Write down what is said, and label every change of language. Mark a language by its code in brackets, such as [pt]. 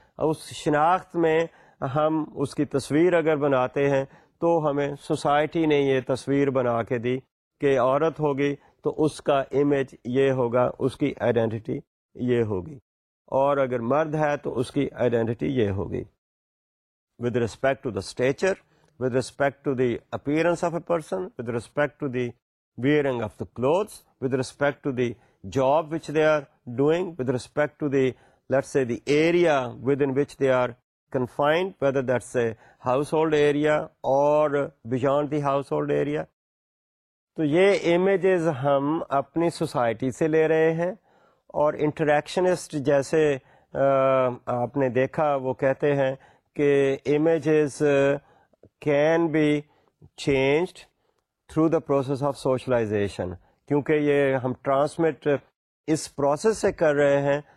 [ur] اس شناخت میں ہم اس کی تصویر اگر بناتے ہیں تو ہمیں سوسائٹی نے یہ تصویر بنا کے دی کہ عورت ہوگی تو اس کا امیج یہ ہوگا, اس کی آئیڈینٹی یہ ہوگی, اور اگر مرد ہے تو اس کی آئیڈینٹی یہ ہوگی. [en] With respect to the stature, with respect to the appearance of a person, with respect to the wearing of the clothes, with respect to the job which they are doing, with respect to the let's say the area within which they are confined, whether that's a household area or beyond the household area. [ur] تو یہ images ہم اپنی society سے لے رہے ہیں, اور انٹریکشنسٹ جیسے آپ نے دیکھا وہ کہتے ہیں کہ [en] images can be changed through the process of socialisation, [ur] کیونکہ یہ ہم ٹرانسمٹ اس پروسیس سے کر رہے ہیں.